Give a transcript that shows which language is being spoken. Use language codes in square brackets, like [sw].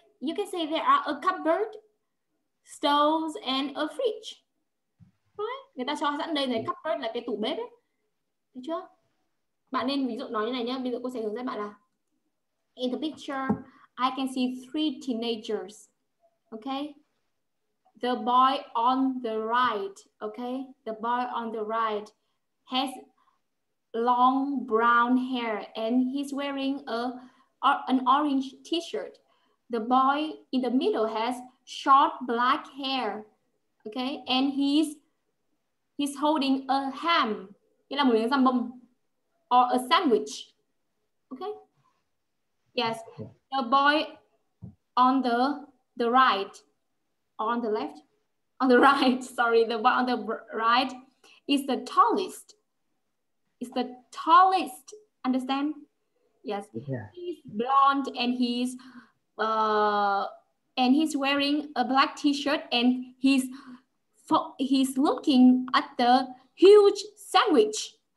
[en] You can say there are a cupboard, stoves, and a fridge. Right? [vi] Người ta cho sẵn đây này, cupboard là cái tủ bếp ấy. Thấy chưa? Bạn nên ví dụ nói như này nhé. Bây giờ cô sẽ hướng dẫn bạn là [en] in the picture, I can see three teenagers. Okay? The boy on the right, okay? The boy on the right has long brown hair and he's wearing an orange t-shirt. The boy in the middle has short black hair, okay? And he's holding a ham, [vi] nghĩa là một miếng dăm bông, [en] or a sandwich, okay? Yes, the boy on the right, on the left, on the right, sorry, the boy on the right is the tallest. It's the tallest, understand? Yes, yeah. He's blonde and he's wearing a black t-shirt and he's looking at the huge sandwich.